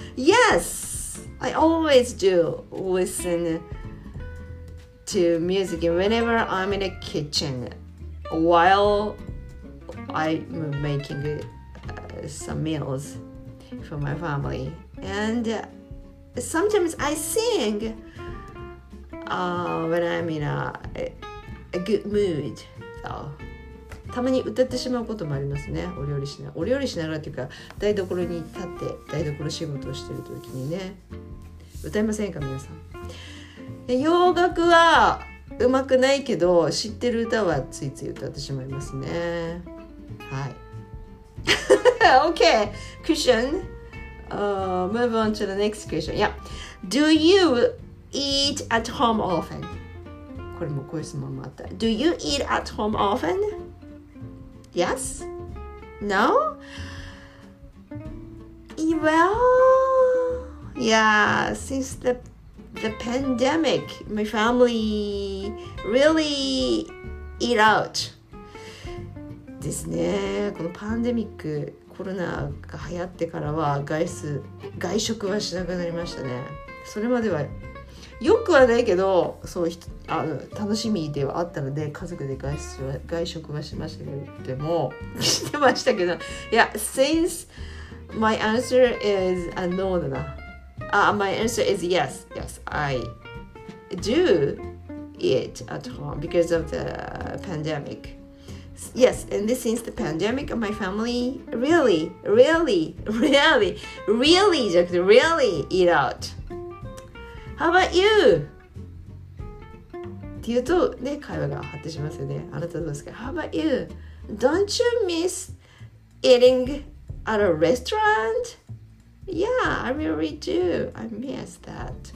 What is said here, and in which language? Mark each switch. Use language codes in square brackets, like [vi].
[en] Yes, I always do listenTo music whenever I'm in a kitchen while I'm making some meals for my family. And sometimes I sing when I'm in a good mood. So, [ja] たまに歌ってしまうこともありますね。お料理しながら、お料理しながらというか、台所に立って台所仕事をしているときにね。歌いませんか皆さん。洋楽は上手くないけど知ってる歌はついつい歌ってしまいますね。 [en] はい。Okay, question. Move on to the next question. Yeah. Do you eat at home often? [ja] これもこういう質問もあった。 [en] Do you eat at home often? Yes? No? Well, yeah, since the pandemic, my family really eat out. [ja] ですね。このパンデミック、コロナが流行ってからは外食はしなくなりましたね。それまではよくはないけど、そう、あの楽しみではあったので家族で外食はしましたけど、でもしてましたけど、 [en] いや、since my answer is a no だな。 My answer is yes. Yes, I do eat at home because of the pandemic. Yes, and this since the pandemic, my family really, really, really, really, just really eat out. How about you? [ja] って言うとね、会話が発展しますよね。あなたどうですか? [en] How about you? Don't you miss eating at a restaurant? Yeah, I really do. I miss that.